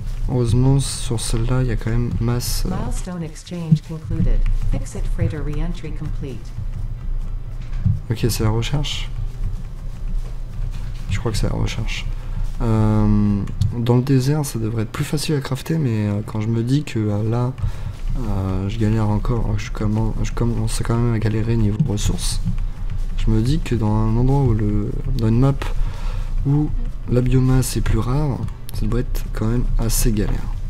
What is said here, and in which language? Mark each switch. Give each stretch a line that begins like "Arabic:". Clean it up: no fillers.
French: Heureusement sur celle-là il y a quand même masse.
English: Milestone exchange concluded. Fixit freighter re-entry complete.
French: Ok, c'est la recherche. Je crois que c'est la recherche. Dans le désert ça devrait être plus facile à crafter, mais quand je me dis que là je galère encore, je commence quand même à galérer niveau ressources, je me dis que dans un endroit où dans une map où la biomasse est plus rare, ça doit être quand même assez galère.